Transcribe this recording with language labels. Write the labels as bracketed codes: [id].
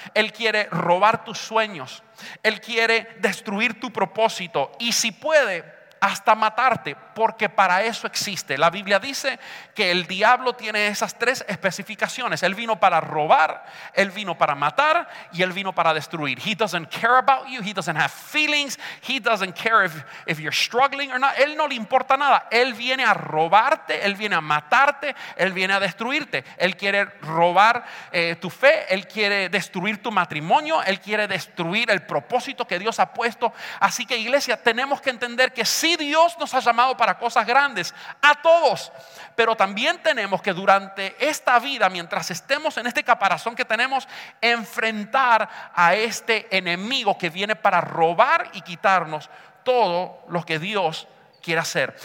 [es] Él quiere robar tus sueños. Él quiere destruir tu propósito. Y si puede, hasta matarte, porque para eso existe. La Biblia dice que el diablo tiene esas tres especificaciones. Él vino para robar, él vino para matar y él vino para destruir. [en] He doesn't care about you, he doesn't have feelings, he doesn't care if you're struggling or not. [es] Él no le importa nada. Él viene a robarte, él viene a matarte, él viene a destruirte. Él quiere robar tu fe, él quiere destruir tu matrimonio, él quiere destruir el propósito que Dios ha puesto. Así que iglesia, tenemos que entender que sí, Dios nos ha llamado para cosas grandes a todos, pero también tenemos que durante esta vida, mientras estemos en este caparazón que tenemos, enfrentar a este enemigo que viene para robar y quitarnos todo lo que Dios quiere hacer.